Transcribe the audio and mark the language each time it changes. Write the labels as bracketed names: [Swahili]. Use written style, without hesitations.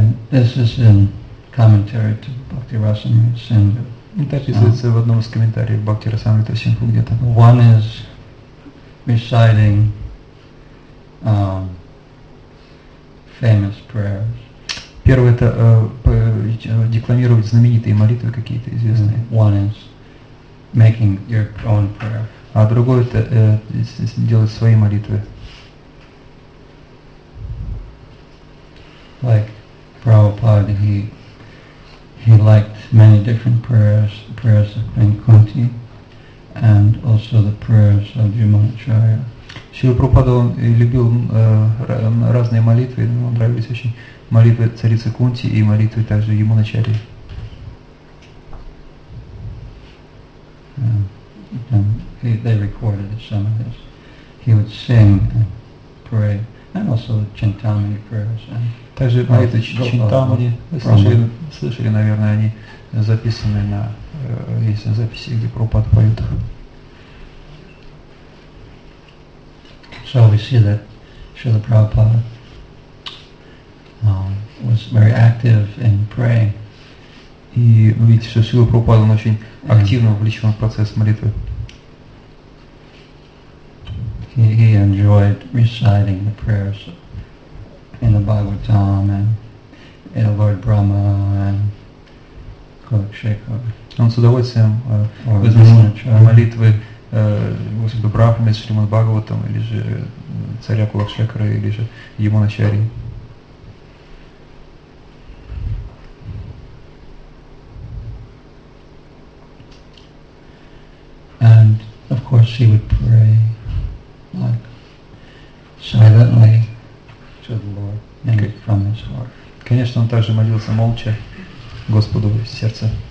[English] This is in commentary to Bhakti Rasamrita Sindhu. [Russian] Это описывается в одном из комментариев Бхакти Расамрита Сингху где-то. [English] One is reciting famous prayers. [Russian] Первое это декламировать знаменитые молитвы какие-то известные. [English] One is making your own prayer. [Russian] А другое это делать свои молитвы. [English] Like Prabhupada, he liked many different prayers of Queen Kunti, and also the prayers of Jumanacharya. [Russian] Шрила Прабхупада любил разные молитвы, ему нравились очень молитвы царицы Кунти и молитвы также Jumanacharya. [English] They recorded some of this. He would sing and pray, and also the Chintamani prayers. [Russian] Также молитвы Чинтамани, слышали, наверное, они записаны на есть записи, где Прабхупада поет. [English] So we see that Srila Prabhupada was very active in praying. [Russian] И вы видите, что Шрила Прабхупада очень активно вовлечен в процесс молитвы. [English] He enjoyed reciting the prayers in the Bhagavatam and in Lord Brahma and Kulakshetra. [Russian] Он с удовольствием возносил молитвы Господу Брахме, Шримад Бхагаватам, или же царя Кулакшекара, или же Яманачарьи. [English] And of course he would pray like silently to the Lord and from his heart. [Russian] Конечно, он также молился молча Господу в сердце.